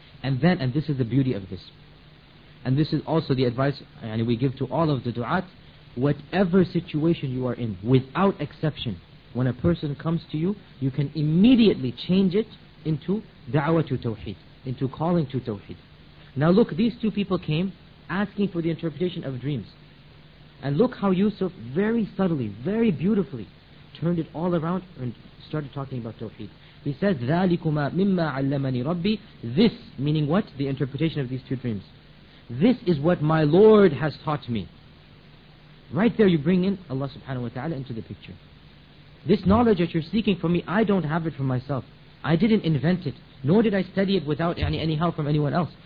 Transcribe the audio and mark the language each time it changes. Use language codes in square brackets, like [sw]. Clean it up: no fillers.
[en] And then, and this is the beauty of this, and this is also the advice and we give to all of the du'at, whatever situation you are in, without exception, when a person comes to you, you can immediately change it into da'wah to tawheed, into calling to tawheed. Now look, these two people came asking for the interpretation of dreams. And look how Yusuf very subtly, very beautifully, turned it all around and started talking about tawheed. He says, [ar] ذَلِكُمَا مِمَّا عَلَّمَنِي رَبِّي. [en] This, meaning what? The interpretation of these two dreams. This is what my Lord has taught me. Right there you bring in Allah subhanahu wa ta'ala into the picture. This knowledge that you're seeking from me, I don't have it for myself. I didn't invent it, nor did I study it without any help from anyone else.